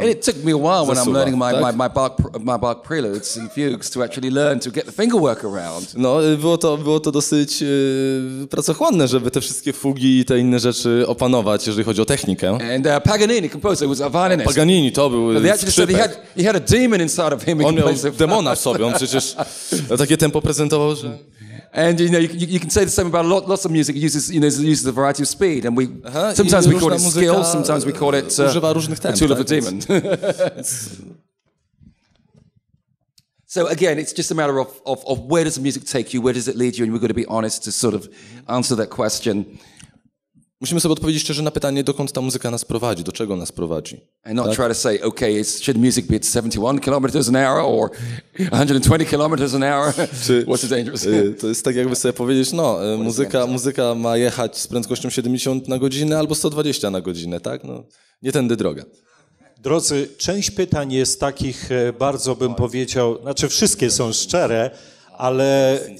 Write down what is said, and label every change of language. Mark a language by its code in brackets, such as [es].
[en] And it took me a while when I'm learning my Bach preludes and fugues to actually learn to get the finger work around. [pl] No, było to dosyć pracochłonne, żeby te wszystkie fugi i te inne rzeczy opanować, jeżeli chodzi o technikę. [en] And Paganini, composer, was a violinist. [pl] Paganini to był skrzypek. [en] He had a demon inside of him. [pl] On miał demona w sobie. On przecież takie tempo prezentował. [en] And you know you can say the same about lots of music. It uses a variety of speed, and sometimes we call it skill, sometimes we call it the tool of the demon. So again, it's just a matter of where does the music take you, where does it lead you, and we've got to be honest to sort of answer that question. [pl] Musimy sobie odpowiedzieć szczerze na pytanie, dokąd ta muzyka nas prowadzi, do czego nas prowadzi. [en] And not try to say, okay, should music be at 71 kilometers an hour or 120 kilometers an hour? What's the danger? [pl] To jest tak, jakby sobie powiedzieć, no, muzyka ma jechać z prędkością 70 na godzinę albo 120 na godzinę, tak? No, nie tędy droga. Drodzy, część pytań jest takich, bardzo bym powiedział, znaczy wszystkie są szczere, ale...